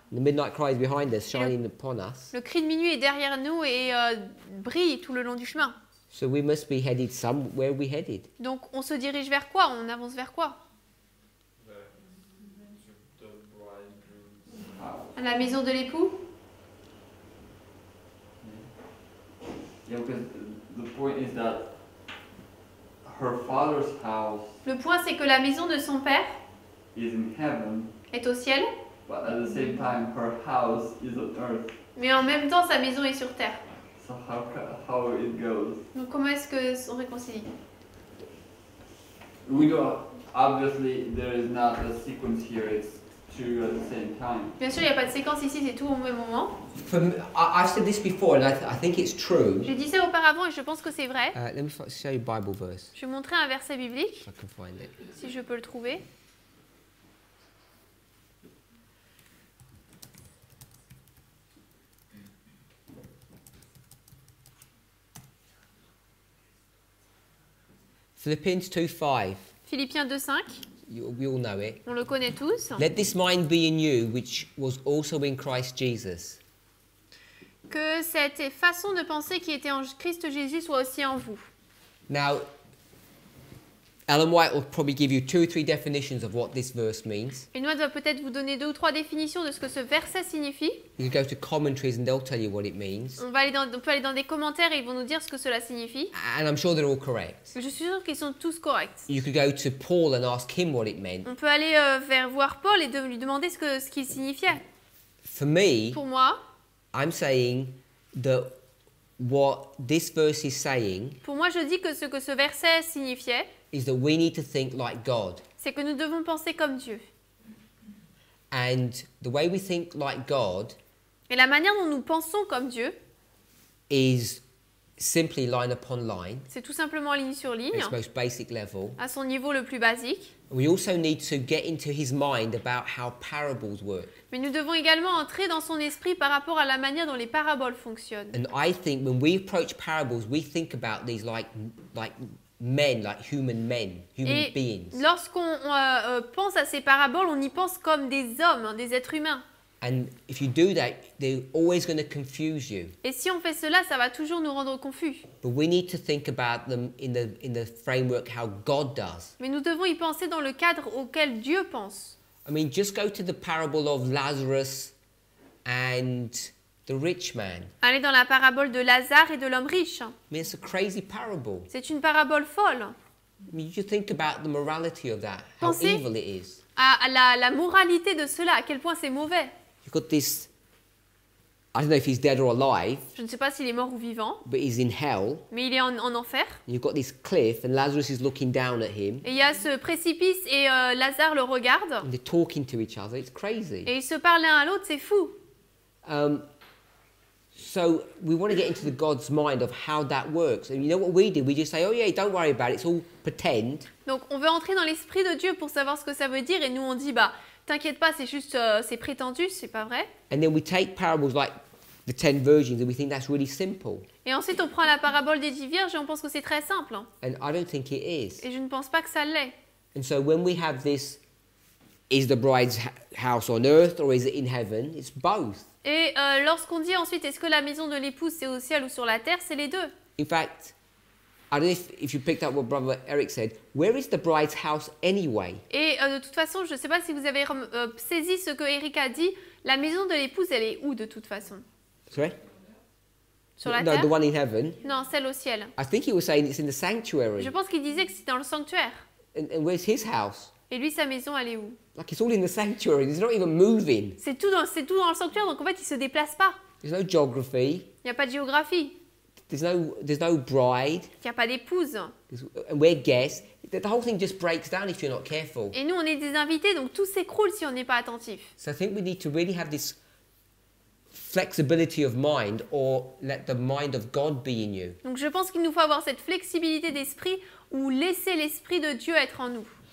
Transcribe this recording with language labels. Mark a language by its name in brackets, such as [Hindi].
[English] The midnight cry is behind us, shining upon us. [French] Le cri de minuit est derrière nous et brille tout le long du chemin. [English] So we must be headed somewhere. We headed. [French] Donc, on se dirige vers quoi? On avance vers quoi? À la maison de l'époux. [English] The point is that her father's house. [French] Le point c'est que la maison de son père [English] is in heaven, [French] est au ciel. [English] But at the same time, her house is on earth. [French] Mais en même temps, sa maison est sur terre. [English] So how it goes? [French] Donc comment est-ce que on réconcilie? [English] We don't. Obviously, there is not a sequence here. It's two at the same time. [French] Bien sûr, il n'y a pas de séquence ici. C'est tout au même moment. [English] I've said this before, and I think it's true. [French] J'ai dit ça auparavant et je pense que c'est vrai. [English] Let me show you a Bible verse. [French] Je vais montrer un verset biblique. [English] If I can find it. [French] Si je peux le trouver. Philippiens 2:5. Philippiens 2:5. [English] We all know it. [French] On le connaît tous. [English] Let this mind be in you, which was also in Christ Jesus. [French] Que cette façon de penser qui était en Christ Jésus soit aussi en vous. [English] Now, Ellen White will probably give you two or three definitions of what this verse means. [French] Ellen White va peut-être vous donner deux ou trois définitions de ce que ce verset signifie. [English] You can go to commentaries and they'll tell you what it means. [French] On peut aller dans des commentaires et ils vont nous dire ce que cela signifie. [English] And I'm sure they're all correct. [French] Je suis sûre qu'ils sont tous corrects. [English] You could go to Paul and ask him what it meant. [French] On peut aller voir Paul et lui demander ce qu'il signifiait. [English] For me. [French] Pour moi. [English] I'm saying that what this verse is saying. [French] Pour moi, je dis que ce verset signifiait. [English] Is that we need to think like God. [French] C'est que nous devons penser comme Dieu. [English] And the way we think like God. [French] Et la manière dont nous pensons comme Dieu. [English] Is simply line upon line. [French] C'est tout simplement ligne sur ligne. [English] At its most basic level. [French] À son niveau le plus basique. [English] We also need to get into his mind about how parables work. [French] Mais nous devons également entrer dans son esprit par rapport à la manière dont les paraboles fonctionnent. [English] And I think when we approach parables, we think about these like men, like human men, human beings. [French] Lorsqu'on pense à ces paraboles, on y pense comme des hommes, hein, des êtres humains. [English] And if you do that, they're always going to confuse you. [French] Et si on fait cela, ça va toujours nous rendre confus. [English] But we need to think about them in the framework how God does. [French] Mais nous devons y penser dans le cadre auquel Dieu pense. [English] I mean, just go to the parable of Lazarus and the rich man. [French] Allez dans la parabole de Lazare et de l'homme riche. [English] I mean, it's a crazy parable. [French] C'est une parabole folle. [English] I mean, you think about the morality of that, how evil it is. [French] À la moralité de cela, à quel point c'est mauvais. [English] You've got this, I don't know if he's dead or alive. [French] Je ne sais pas s'il est mort ou vivant. [English] But he's in hell. [French] Mais il est en enfer. [English] You've got this cliff and Lazarus is looking down at him. [French] Et il y a ce précipice et Lazare le regarde. [English] And they're talking to each other, it's crazy. [French] Et ils se parlent l'un à l'autre, c'est fou. [English] So we want to get into the God's mind of how that works. And you know what we do? We just say, oh yeah, don't worry about it, it's all pretend. [French] Donc on veut entrer dans l'esprit de Dieu pour savoir ce que ça veut dire et nous on dit, bah, t'inquiète pas, c'est juste, c'est prétendu, c'est pas vrai. [English] And then we take parables like the ten virgins and we think that's really simple. [French] Et ensuite on prend la parabole des dix vierges et on pense que c'est très simple. [English] And I don't think it is. [French] Et je ne pense pas que ça l'est. [English] And so when we have this, is the bride's house on earth or is it in heaven? It's both. [French] Et lorsqu'on dit ensuite, est-ce que la maison de l'épouse c'est au ciel ou sur la terre, c'est les deux. [English] In fact, I don't know if you picked up what Brother Eric said, where is the bride's house anyway? [French] Et de toute façon, je ne sais pas si vous avez saisi ce que Eric a dit, la maison de l'épouse, elle est où de toute façon? [English] Sorry? [French] Sur la terre? [English] No, the one in heaven. [French] Non, celle au ciel. [English] I think he was saying it's in the sanctuary. [French] Je pense qu'il disait que c'est dans le sanctuaire. [English] And where's his house? [French] Et lui, sa maison, elle est où? [English] Like it's all in the sanctuary. He's not even moving. [French] C'est tout dans le sanctuaire, donc en fait, il se déplace pas. [English] There's no geography. [French] Il y a pas de géographie. [English] There's no bride. [French] Il y a pas d'épouse. [English] And we're guests. The whole thing just breaks down if you're not careful. [French] Et nous, on est des invités, donc tout s'écroule si on n'est pas attentif. [English] So I think we need to really have this flexibility of mind or let the mind of God be in you. [French] Donc je pense qu'il nous faut avoir cette flexibilité d'esprit ou laisser l'esprit de Dieu être en nous.